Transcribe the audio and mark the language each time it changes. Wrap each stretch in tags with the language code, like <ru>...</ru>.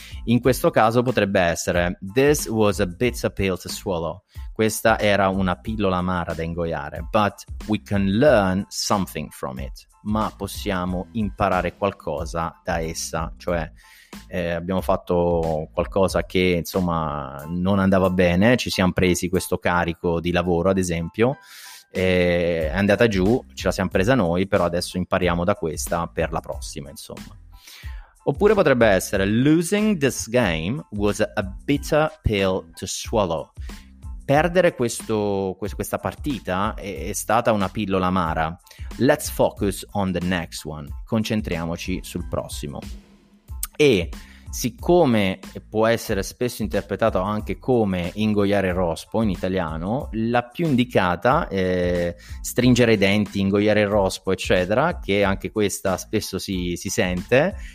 <it>In questo caso potrebbe essere</it> <en>this was a bitter pill to swallow,</en> <it>questa era una pillola amara da ingoiare,</it> <en>but we can learn something from it,</en> <it>ma possiamo imparare qualcosa da essa, cioè abbiamo fatto qualcosa che insomma non andava bene, ci siamo presi questo carico di lavoro ad esempio, è andata giù, ce la siamo presa noi, però adesso impariamo da questa per la prossima, insomma. Oppure potrebbe essere</it> <en>losing this game was a bitter pill to swallow.</en> <it>Perdere questa partita è stata una pillola amara.</it> <en>Let's focus on the next one.</en> <it>Concentriamoci sul prossimo. E siccome può essere spesso interpretato anche come ingoiare il rospo in italiano, la più indicata è stringere i denti, ingoiare il rospo, eccetera, che anche questa spesso si sente</it>